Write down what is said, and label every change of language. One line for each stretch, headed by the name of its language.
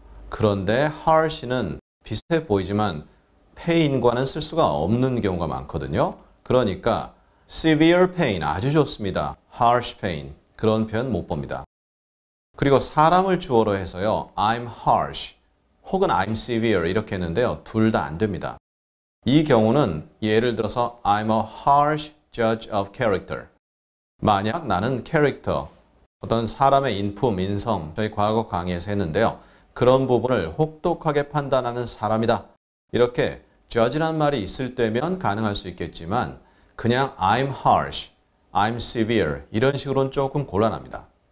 Korean: 그런데 harsh는 비슷해 보이지만 pain과는 쓸 수가 없는 경우가 많거든요. 그러니까 severe pain 아주 좋습니다. harsh pain 그런 표현 못 봅니다. 그리고 사람을 주어로 해서요,
English: I'm harsh
Korean: 혹은
English: I'm severe
Korean: 이렇게 했는데요, 둘 다 안 됩니다. 이 경우는 예를 들어서
English: I'm a harsh judge of character.
Korean: 만약 나는 character, 어떤 사람의 인품, 인성, 저희 과거 강의에서 했는데요, 그런 부분을 혹독하게 판단하는 사람이다, 이렇게 judge란 말이 있을 때면 가능할 수 있겠지만 그냥
English: I'm harsh, I'm severe
Korean: 이런 식으로는 조금 곤란합니다.